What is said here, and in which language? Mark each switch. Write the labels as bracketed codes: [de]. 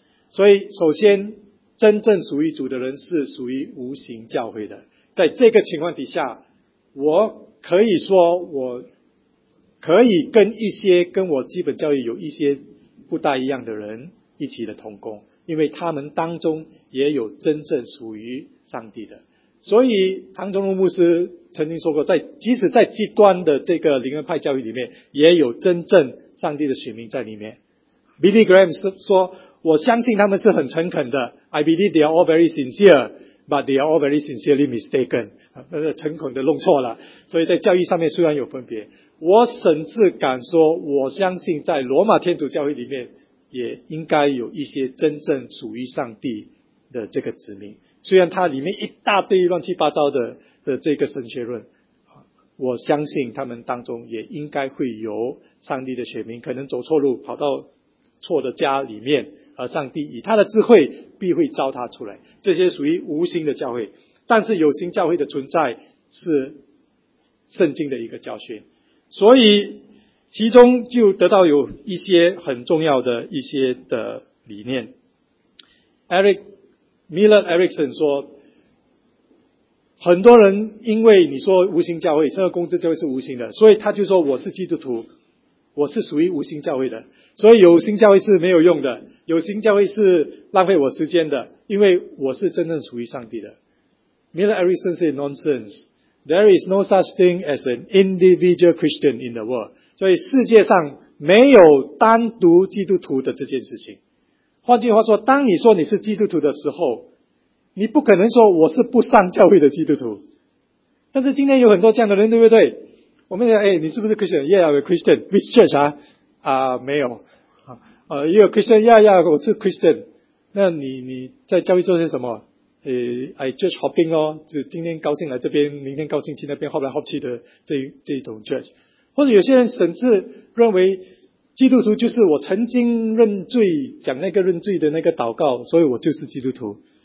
[zh] 所以首先真正属于主的人是属于无形教会的，在这个情况底下，我可以说我可以跟一些跟我基本教育有一些不大一样的人一起的同工，因为他们当中也有真正属于上帝的。所以唐中龙牧师曾经说过，在即使在极端的这个灵恩派教育里面，也有真正上帝的选民在里面。 [en] Billy Graham [zh] 说，我相信他们是很诚恳的， [en] I believe they are all very sincere but they are all very sincerely mistaken， [zh] 诚恳的弄错了。所以在教育上面虽然有分别，我甚至敢说我相信在罗马天主教会里面也应该有一些真正属于上帝的这个子民，虽然它里面一大堆乱七八糟 的这个神学论，我相信他们当中也应该会有上帝的选民，可能走错路跑到错的家里面，而上帝以他的智慧必会召他出来。这些属于无形的教会，但是有形教会的存在是圣经的一个教训。所以其中就得到有一些很重要的一些的理念。 Eric Miller Erickson 说，很多人因为你说无形教会，圣二公之教会是无形的，所以他就说我是基督徒，我是属于无形教会的，所以有形教会是没有用的，有形教会是浪费我时间的，因为我是真正属于上帝的。 [en] Miller Erickson said nonsense. There is no such thing as an individual Christian in the world. [zh] 所以世界上没有单独基督徒的这件事情。换句话说，当你说你是基督徒的时候，你不可能说我是不上教会的基督徒。但是今天有很多这样的人，对不对？我们讲，哎，你是不是 Christian？ [en] Yeah, I'm a Christian. Which church [zh] 啊？啊，没有。一个 Christian， yeah, yeah， 我是 Christian。那你在教会做些什么？ [en] I church hopping [zh] 哦，就今天高兴来这边，明天高兴去那边，后来 hop 去的这一种 church。或者有些人甚至认为，基督徒就是我曾经认罪，讲那个认罪的那个祷告，所以我就是基督徒。